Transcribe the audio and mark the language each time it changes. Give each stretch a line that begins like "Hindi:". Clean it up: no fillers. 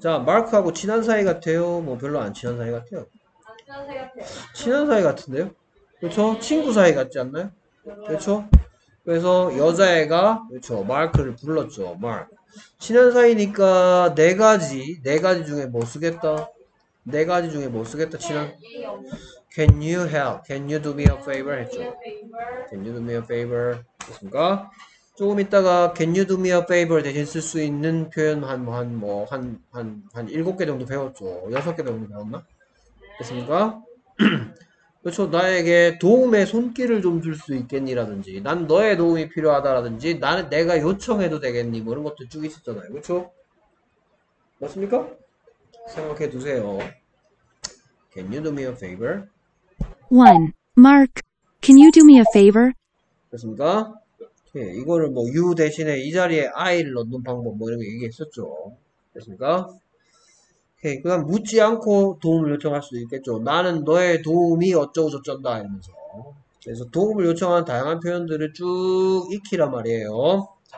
Korean: 자, 마크하고 친한 사이 같아요. 뭐 별로 안 친한 사이 같아요. 친한 사이 같은데요? 그렇죠? 친구 사이 같지 않나요? 그렇죠? 그래서 여자애가 그렇죠? 마크를 불렀죠. 마크. 친한 사이니까 네 가지 중에 뭐 쓰겠다? 네 가지 중에 뭐 쓰겠다? 친한.
English: Can you help? Can you do me a favor?
Korean: 했죠.
English: Can you do me a favor?
Korean: 됐습니까? 조금 있다가
English: can you do me a favor
Korean: 대신 쓸수 있는 표현 한뭐한뭐한한한 7개 정도 배웠죠. 6개 정도 배웠나? 됐습니까? 그렇죠. 나에게 도움의 손길을 좀줄수 있겠니라든지, 난 너의 도움이 필요하다라든지, 나는 내가 요청해도 되겠니? 뭐 이런 것도 쭉 있었잖아요. 그렇죠? 맞습니까? 생각해 두세요.
English: Can you do me a favor? One, Mark, can you do me a favor?
Korean: 됐습니까? 예, 이거를 뭐 you 대신에 이 자리에 I를 넣는 방법 뭐 이런 거 얘기했었죠. 됐습니까? 오케이, 그다음 묻지 않고 도움을 요청할 수 있겠죠. 나는 너의 도움이 어쩌고 저쩐다 이러면서. 그래서 도움을 요청하는 다양한 표현들을 쭉 익히란 말이에요.